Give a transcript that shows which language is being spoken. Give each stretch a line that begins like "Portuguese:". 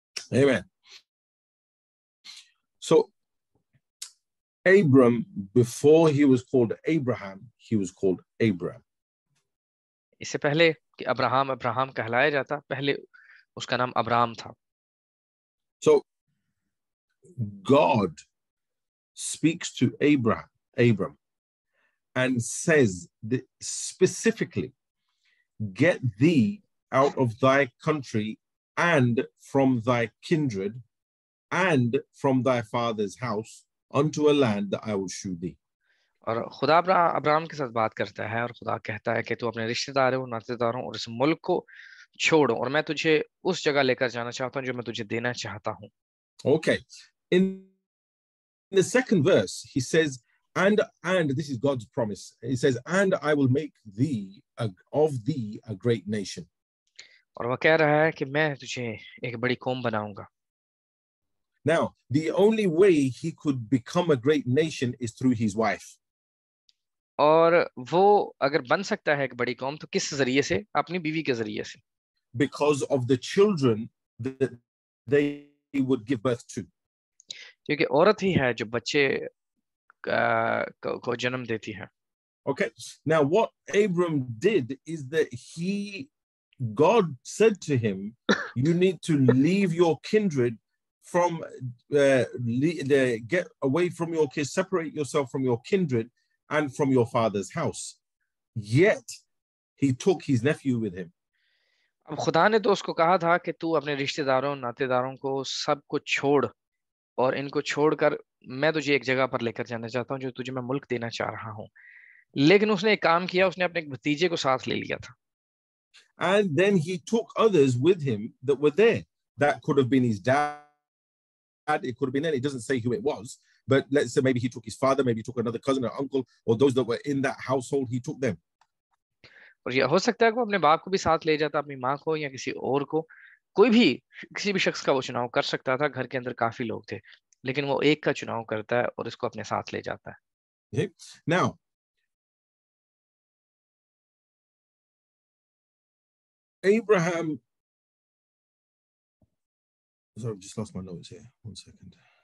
Urdu: آمین.
English: So Abram before he was called Abraham he was called Abram.
Urdu: اس سے پہلے کہ ابراہم ابراہم کہلایا جاتا, پہلے اس کا نام ابرام تھا.
English: So God speaks to Abram and says specifically, get thee out of thy country and from thy kindred and from thy father's house unto a land that I will show thee.
Urdu: اور خدا Abraham کے ساتھ بات کرتا ہے, اور خدا کہتا ہے کہ تو اپنے رشتہ داروں اور ناتے داروں اور اس ملک کو چھوڑ, اور میں تجھے اس جگہ لے کر جانا چاہتا ہوں جو میں تجھے دینا چاہتا ہوں.
English: Okay. In the second verse, he says, And this is God's promise. He says, and I will make thee of thee a great nation.
Urdu: اور وہ کہہ رہا ہے کہ میں تجھے ایک بڑی قوم بناؤں گا.
English: Now, the only way he could become a great nation is through his wife.
Urdu: اور وہ اگر بن سکتا ہے ایک بڑی قوم تو کس ذریعے سے؟ اپنی بیوی کے ذریعے سے.
English: Because of the children that they would give birth to.
Urdu: کیونکہ عورت ہی ہے جو بچے کو جنم دیتی ہے.
English: Okay. Now what Abram did is that God said to him, you need to leave your kindred from get away from your kids, separate yourself from your kindred and from your father's house. Yet he took his nephew with him.
Urdu: اب خدا نے تو اس کو کہا تھا کہ تو اپنے رشتہ داروں ناتے داروں کو سب کو چھوڑ, اور ان کو چھوڑ کر میں تجھے ایک جگہ پر لے کر جانا چاہتا ہوں جو تجھے میں ملک دینا چاہ رہا ہوں, لیکن اس نے ایک کام کیا, اس نے اپنے ایک بھتیجے کو ساتھ لے لیا تھا.
English: And then he took others with him that were there. That could have been his dad, it could have been any, it doesn't say who it was, but let's say maybe he took his father, maybe he took another cousin or uncle or those that were in that household, he took them.
Urdu: اور یہ ہو سکتا ہے کہ وہ اپنے باپ کو بھی ساتھ لے جاتا, اپنی ماں کو یا کسی اور کو, کوئی بھی کسی بھی شخص کا وہ چناؤ کر سکتا تھا, گھر کے اندر کافی لوگ تھے, لیکن وہ ایک کا چناؤ کرتا ہے اور اس کو اپنے ساتھ لے جاتا ہے.
English: Now, Abraham, sorry, I've just lost my notes here. One second.